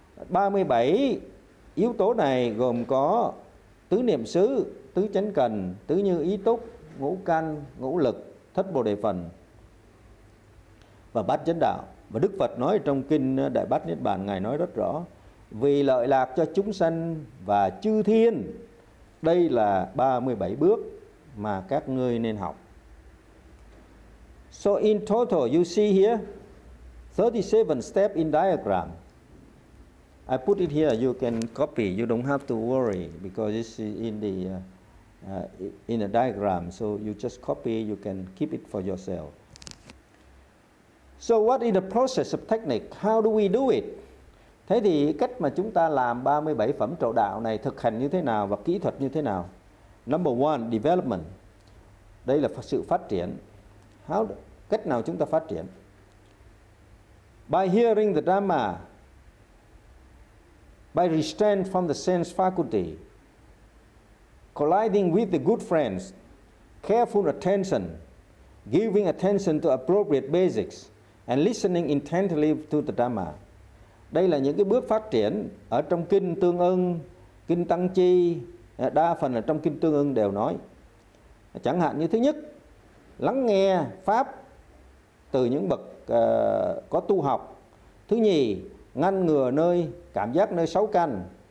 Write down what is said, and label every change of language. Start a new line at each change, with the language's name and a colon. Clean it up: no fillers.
Vietnamese: 37 yếu tố này gồm có tứ niệm xứ, tứ chánh cần, tứ như ý túc, ngũ căn, ngũ lực, thất bồ đề phần và bát chánh đạo. Và Đức Phật nói trong kinh Đại Bát Niết Bàn, ngài nói rất rõ: vì lợi lạc cho chúng sanh và chư thiên, đây là 37 bước mà các ngươi nên học.
English: So in total you see here 37 step in diagram. I put it here, you can copy, you don't have to worry because it's in a diagram, so you just copy, you can keep it for yourself. So what is the process of technique? How do we do it?
Vietnamese: Thế thì cách mà chúng ta làm 37 phẩm trụ đạo này thực hành như thế nào và kỹ thuật như thế nào?
English: Number one, development.
Vietnamese: Đây là sự phát triển. Cách nào chúng ta phát triển?
English: By hearing the Dhamma, by restraint from the sense faculty, colliding with the good friends, careful attention, giving attention to appropriate basics, and listening intently to the Dhamma.
Vietnamese: Đây là những cái bước phát triển ở trong kinh Tương Ưng, kinh Tăng Chi, đa phần ở trong kinh Tương Ưng đều nói. Chẳng hạn như thứ nhất, lắng nghe pháp từ những bậc có tu học. Thứ nhì, ngăn ngừa nơi cảm giác nơi sáu căn.